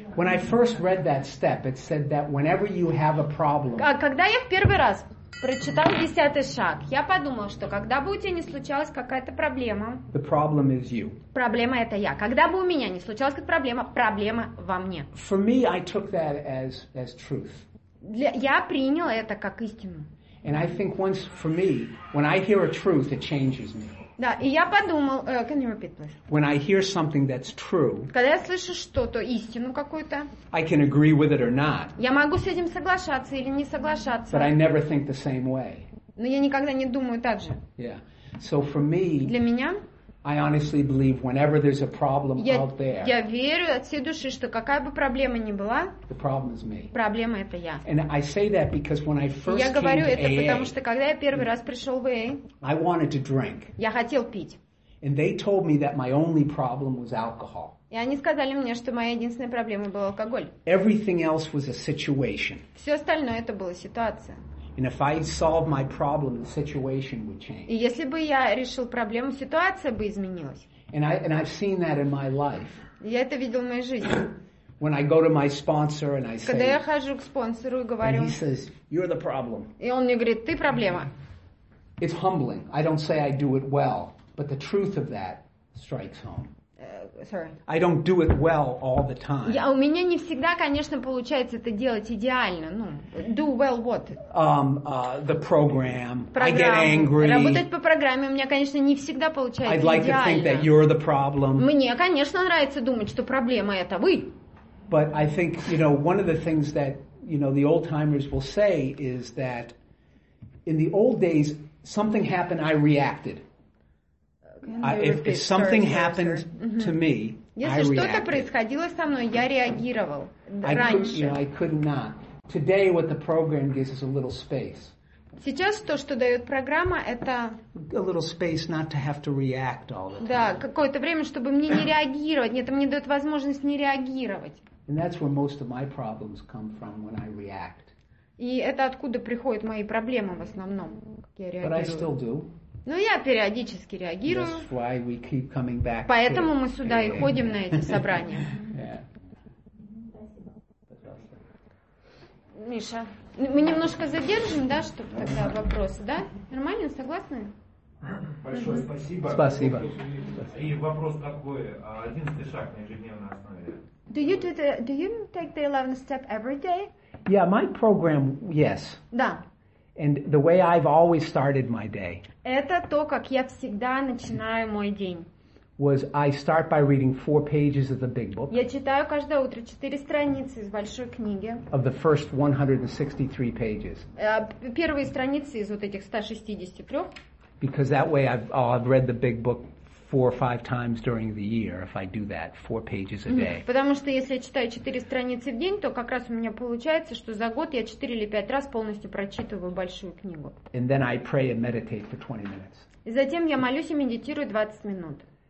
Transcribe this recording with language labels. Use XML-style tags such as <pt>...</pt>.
<en>When I first read that step, it said that whenever you have a problem.</en> <ru>Когда я в первый раз прочитал десятый шаг, я подумал, что когда бы у тебя не случалась какая-то проблема.</ru> <en>The problem is you.</en> <ru>Проблема это я. Когда бы у меня не случалась какая-то проблема, проблема во мне.</ru> <en>For me, I took that as truth.</en> <ru>Я принял это как истину.</ru> <en>And I think once for me, when I hear a truth, it changes me.</en> <ru>Да, и я подумал,</ru> <en>can you repeat, please? When I hear something that's true,</en> <ru>когда я слышу что-то, истину какую-то,</ru> <en>I can agree with it or not.</en> <ru>Я могу с этим соглашаться или не соглашаться.</ru> <en>But I never think the same way.</en> <ru>Но я никогда не думаю так же.</ru> <en>Yeah. So for me,</en> <ru>для меня,</ru> <en>I honestly believe whenever there's a problem out there,</en> <ru>я верю от всей души, что какая бы проблема ни была,</ru> <en>the problem is me.</en> <ru>Проблема это я.</ru> <en>And I say that because when I first came to AA,</en> <ru>я говорю это потому что когда я первый раз пришел в AA,</ru> <en>I wanted to drink.</en> <ru>Я хотел пить.</ru> <en>And they told me that my only problem was alcohol.</en> <ru>И они сказали мне, что моя единственная проблема была алкоголь.</ru> <en>Everything else was a situation.</en> <ru>Все остальное это была ситуация.</ru> <en>And if I solved my problem, the situation would change.</en> <ru>И если бы я решил проблему, ситуация бы изменилась.</ru> <en>And I've seen that in my life.</en> <ru>Я это видел в моей жизни.</ru> <en>When I go to my sponsor and I say,</en> <ru>когда я хожу к спонсору и говорю,</ru> <en>and he says, you're the problem.</en> <ru>И он мне говорит, ты проблема.</ru> <en>It's humbling. I don't say I do it well, but the truth of that strikes home. I don't do it well all the time.</en> <ru>Я у меня не всегда, конечно, получается это делать идеально.</ru> <en>Ну, do well what? The program. I get angry.</en> <ru>Работать по программе у меня, конечно, не всегда получается идеально.</ru> <en>I'd like to think that you're the problem.</en> <ru>Мне, конечно, нравится думать, что проблема это вы.</ru> <en>But I think, you know, one of the things that, you know, the old timers will say is that in the old days something happened, I reacted. If something happened to me,</en> <ru>если что-то происходило со мной, я реагировал раньше.</ru> <en>I could not. Today, what the program gives is a little space.</en> <ru>Сейчас то, что дает программа, это</ru> <en>a little space not to have to react all the time.</en> <ru>Да, какое-то время, чтобы мне не реагировать. Нет, это мне дает возможность не реагировать.</ru> <en>And that's where most of my problems come from when I react.</en> <ru>И это откуда приходят мои проблемы в основном, как я реагирую.</ru> <en>But I still do.</en> <ru>Ну, я периодически реагирую.</ru> <en>That's why we keep coming back.</en> <ru>Поэтому мы сюда и ходим на эти собрания. Миша, мы немножко задержим, да, чтобы тогда вопросы, да? Нормально, согласны? Большое спасибо. Спасибо. И вопрос такой, 11-й шаг на ежедневной основе.</ru> <en>Do you take the 11th step every day? Yeah, my program, yes.</en> <ru>Да.</ru> <en>And the way I've always started my day.</en> <ru>Это то, как я всегда начинаю мой день.</ru> <en>Was I start by reading 4 pages of the big book?</en> <ru>Я читаю каждое утро 4 страницы из большой книги.</ru> <en>Of the first 163 pages.</en> <ru>Первые страницы из вот этих 163.</ru> <en>Because that way I've read the big book 4 or 5 times during the year if I do that 4 pages a day.</en> <ru>Потому что если я читаю 4 страницы в день, то как раз у меня получается, что за год я 4 или 5 раз полностью прочитываю большую книгу.</ru> <en>And then I pray and meditate for 20 minutes.</en> <ru>И затем я молюсь и медитирую 20 минут.</ru>